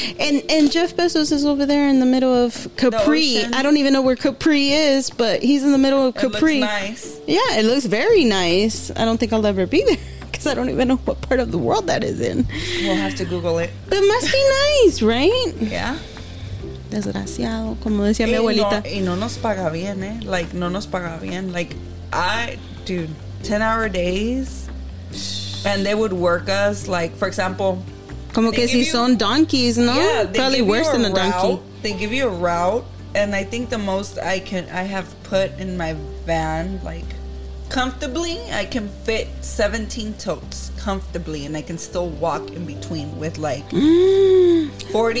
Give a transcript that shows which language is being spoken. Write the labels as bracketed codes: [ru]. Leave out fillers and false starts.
[en] And Jeff Bezos is over there in the middle of Capri. I don't even know where Capri is, but he's in the middle of Capri. It looks nice. Yeah, it looks very nice. I don't think I'll ever be there, because I don't even know what part of the world that is in. We'll have to Google it. But it must be nice, right? Yeah. [es] Desgraciado, como decía mi abuelita. Y no nos paga bien, eh? Like, no nos paga bien. [en] Like, dude, 10-hour days, and they would work us, like, for example... [es] Como que si son donkeys, no? [en] Yeah, probably worse than a donkey. They give you a route, and I think the most I have put in my van, like, comfortably, I can fit 17 totes comfortably, and I can still walk in between with, like, 40